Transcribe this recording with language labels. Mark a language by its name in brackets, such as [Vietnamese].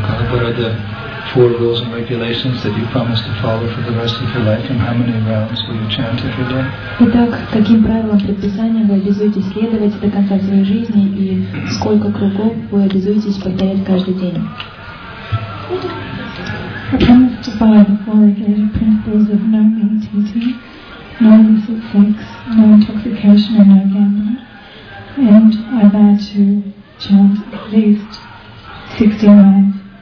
[English] What are the four rules and regulations that you promise to follow for the rest of your life, and how many rounds will you chant every day? [Russian] Итак, каким правилам предписания вы обязуетесь следовать до конца своей жизни, и сколько кругов вы обязуетесь повторять каждый день? [English] I promise to follow the four regulated principles of no meat eating, no illicit sex, no intoxication, and no gambling, and I vow to chant at least 16 rounds.